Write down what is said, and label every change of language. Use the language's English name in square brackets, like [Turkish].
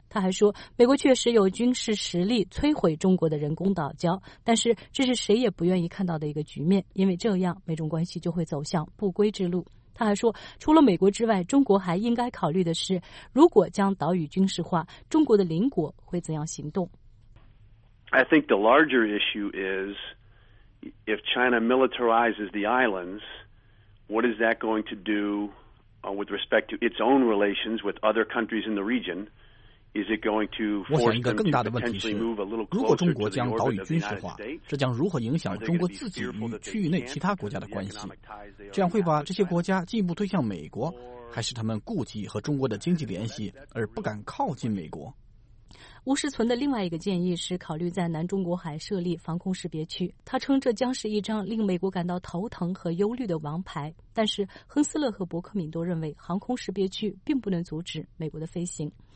[Chinese] 他还说，美国确实有军事实力摧毁中国的人工岛礁，但是这是谁也不愿意看到的一个局面，因为这样美中关系就会走向不归之路。他还说，除了美国之外，中国还应该考虑的是，如果将岛屿军事化，中国的邻国会怎样行动。 [English] I think the larger issue is if China militarizes the islands, what is that going to do with respect to its own relations with other countries in the region? Is it going to force them to move a little closer to the orbit of the United States? [Chinese] 如果中国将岛屿军事化，这将如何影响中国自己与区域内其他国家的关系？这样会把这些国家进一步推向美国，还是他们顾忌和中国的经济联系而不敢靠近美国？吴世存的另外一个建议是考虑在南中国海设立防空识别区，他称这将是一张令美国感到头疼和忧虑的王牌，但是亨斯勒和伯克敏都认为航空识别区并不能阻止美国的飞行。